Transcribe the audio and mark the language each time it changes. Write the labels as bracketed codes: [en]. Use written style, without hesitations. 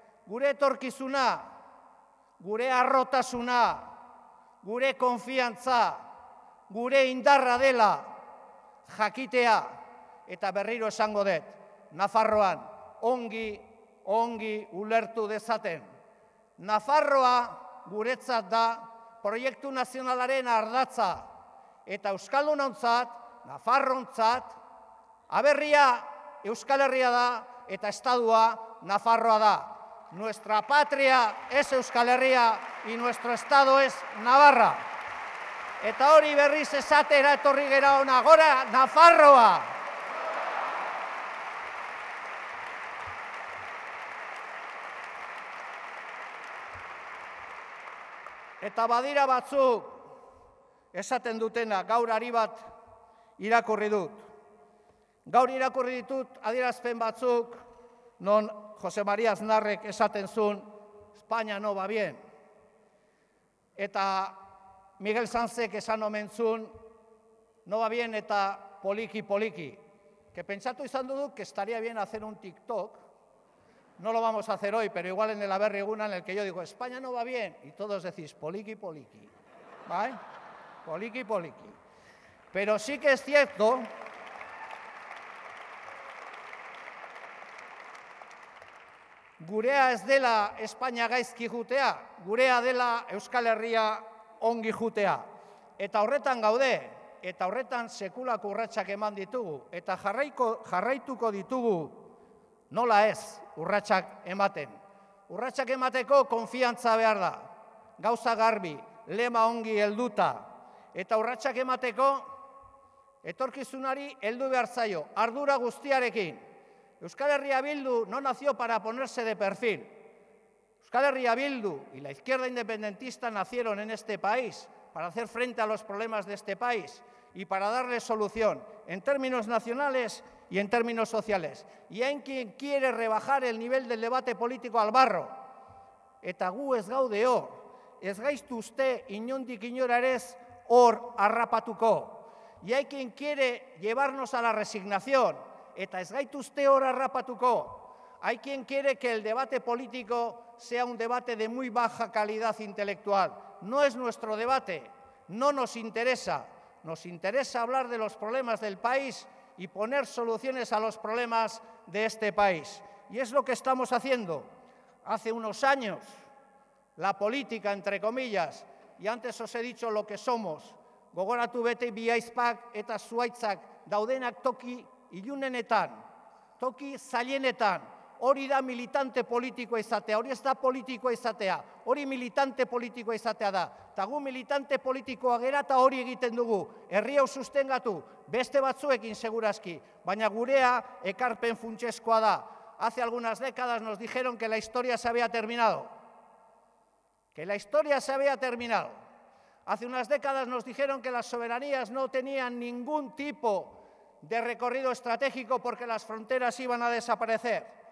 [eu] Gure etorkizuna, gure arrotasuna, gure konfiantza, gure indarra dela jakitea, eta berriro esango dut, Nafarroan ongi ulertu dezaten. Nafarroa guretzat da proiektu nazionalaren ardatza, eta euskaldunontzat, nafarrontzat, aberria Euskal Herria da, eta estadua Nafarroa da. [es] Nuestra patria es Euskal Herria y nuestro estado es Navarra. [eu] Eta hori berriz esatera etorri gera ona, gora Nafarroa! Eta badira batzuk esaten dutena, gaur ari bat irakurri dut. Gaur irakurri ditut adierazpen batzuk, non Jose Maria Aznarrek esaten zuen, [es] España no va bien. [eu] Eta Miguel Sanzek esan omen zuen, [es] no va bien [eu] eta poliki-poliki. [es] que [eu] pensatu izan dugu [es] que estaría bien hacer un TikTok. No lo vamos a hacer hoy, pero igual en el Aberriguna, en el que yo digo, España no va bien, y todos decís, [eu] poliki, poliki. ¿Vale? Poliki, poliki. [es] Pero sí que es cierto [eu] gurea ez dela España gaizki jutea, gurea dela Euskal Herria ongi jutea. Eta horretan gaude, eta horretan sekulako urratsak eman ditugu, eta jarraituko ditugu nola ez urratsak ematen. Urratsak emateko konfiantza behar da, gauza garbi, lema ongi helduta, eta urratsak emateko etorkizunari heldu behar zaio, ardura guztiarekin. [es] Euskal Herria Bildu no nació para ponerse de perfil. Euskal Herria Bildu y la izquierda independentista nacieron en este país para hacer frente a los problemas de este país y para darle solución en términos nacionales y en términos sociales. Y hay quien quiere rebajar el nivel del debate político al barro. [eu] Eta gu ez gaude hor, ez gaiztu uste inundik inorarez hor arrapatuko. [es] Y hay quien quiere llevarnos a la resignación. [eu] Eta ez gaitu uste hor arrapatuko. [es] Hay quien quiere que el debate político sea un debate de muy baja calidad intelectual. No es nuestro debate, no nos interesa. Nos interesa hablar de los problemas del país y poner soluciones a los problemas de este país. Y es lo que estamos haciendo. Hace unos años, la política, entre comillas, y antes os he dicho lo que somos, [eu] gogoratu bete bihaizpak eta zuhaitzak daudenak toki ilunenetan, toki zailenetan, hori da militante politikoa izatea, hori ez da politikoa izatea, hori militante politikoa izatea da. Eta gu militante politikoa gera eta hori egiten dugu, herri hau sustengatu, beste batzuekin seguraski, baina gurea ekarpen funtsezkoa da. [es] Hace algunas décadas nos dijeron que la historia se había terminado. Que la historia se había terminado. Hace unas décadas nos dijeron que las soberanías no tenían ningún tipo de recorrido estratégico porque las fronteras iban a desaparecer.